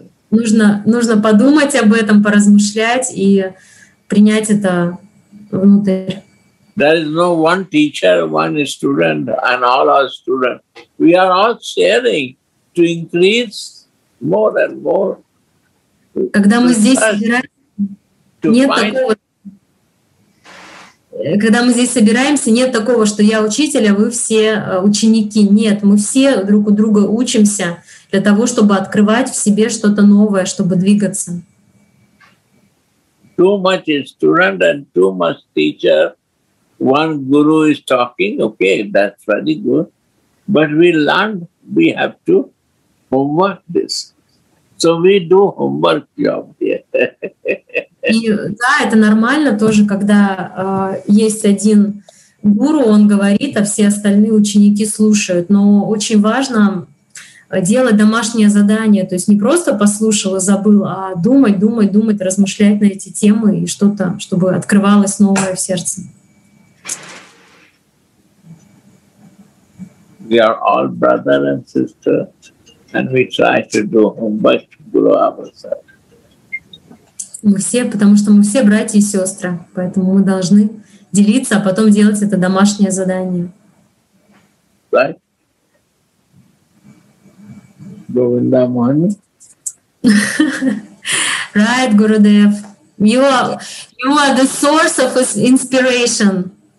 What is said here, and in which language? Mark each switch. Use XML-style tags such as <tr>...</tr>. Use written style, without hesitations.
<ru>Нужно подумать об этом, поразмышлять и принять это внутрь.</ru> <en>There is no one teacher, one student, and all our students. We are all sharing to increase more and more.</en> <ru>Когда мы здесь собираемся, нет такого. Когда мы здесь собираемся, нет такого, что я учитель, а вы все ученики. Нет, мы все друг у друга учимся для того, чтобы открывать в себе что-то новое, чтобы двигаться.</ru> <en>Too much is student and too much teacher. One guru is talking, okay, that's very good. But we learned, we have to homework this. So we do homework job here.</en> <ru>И да, это нормально тоже, когда есть один гуру, он говорит, а все остальные ученики слушают. Но очень важно делать домашнее задание, то есть не просто послушал и забыл, а думать, думать, думать, размышлять на эти темы и что-то, чтобы открывалось новое в сердце.</ru> <en>We are all brothers and sisters, and we try to do homework to grow ourselves.</en> <ru>Мы все, потому что мы все братья и сестры, поэтому мы должны делиться, а потом делать это домашнее задание.</ru> <en>Right? Govinda Mohini. Right, Gurudev. You are the source of inspiration.</en>